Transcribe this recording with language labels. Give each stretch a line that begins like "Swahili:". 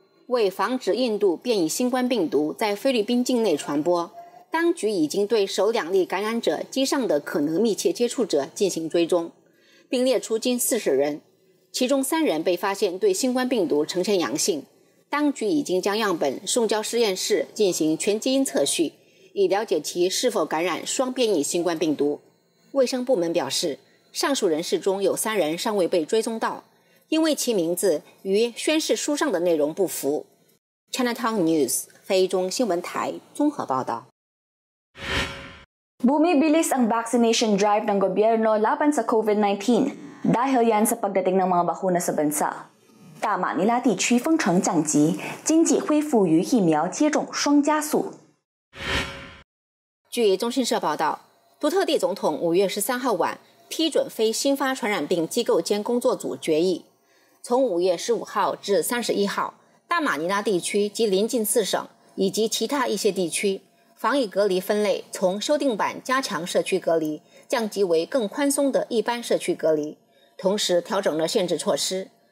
Chinese: 为防止印度变异新冠病毒在菲律宾境内传播，当局已经对首2例感染者机上的可能密切接触者进行追踪，并列出近40人，其中3人被发现对新冠病毒呈现阳性，当局已经将样本送交实验室进行全基因测序，以了解其是否感染双变异新冠病毒。卫生部门表示，上述人士中有3人尚未被追踪到，因为其名字与宣誓书上的内容不符。 Chinatown News 非中新闻台综合报道。
Filipino: Bumibilis ang vaccination drive ng gobyerno laban sa COVID-19 dahil yan sa pagdating ng mga bakuna sa bansa.
Chinese: 大马尼拉地区封城降级，经济恢复与疫苗接种双加速。据中新社报道，杜特地总统5月13号晚批准非新发传染病机构间工作组决议，从5月15号至31号，大马尼拉地区及临近4省以及其他一些地区防疫隔离分类从修订版加强社区隔离降级为更宽松的一般社区隔离，同时调整了限制措施。